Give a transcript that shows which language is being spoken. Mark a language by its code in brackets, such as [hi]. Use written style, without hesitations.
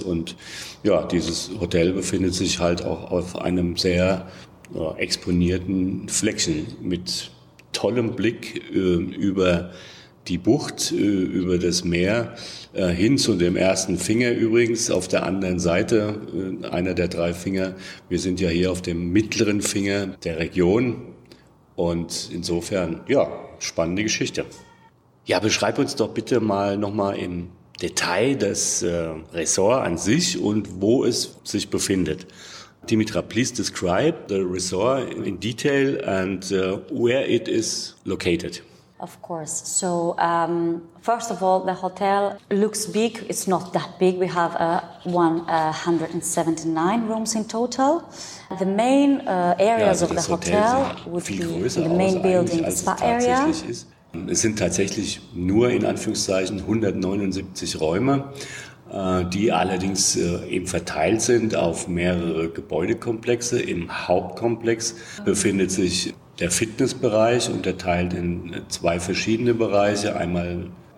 [de] Und ja, dieses Hotel befindet sich halt auch auf einem sehr exponierten Fleckchen mit tollem Blick über die Bucht, über das Meer, hin zu dem ersten Finger übrigens, auf der anderen Seite, einer der 3 Finger. Wir sind ja hier auf dem mittleren Finger der Region und insofern, ja, spannende Geschichte. Ja, beschreib uns doch bitte mal nochmal im Detail das Resort an sich und wo es sich befindet. [en] Dimitra, please describe the resort in detail and where it is located. Of course. So, first of all, the hotel looks big. It's not that big. We have 179 rooms in total. The main areas, [de] ja, also [en] of the hotel would be in the main building, the spa area. [de] Es sind tatsächlich nur in Anführungszeichen 179 Räume, die allerdings eben verteilt sind auf mehrere Gebäudekomplexe. Im Hauptkomplex befindet sich der Fitnessbereich unterteilt in 2 verschiedene Bereiche, einmal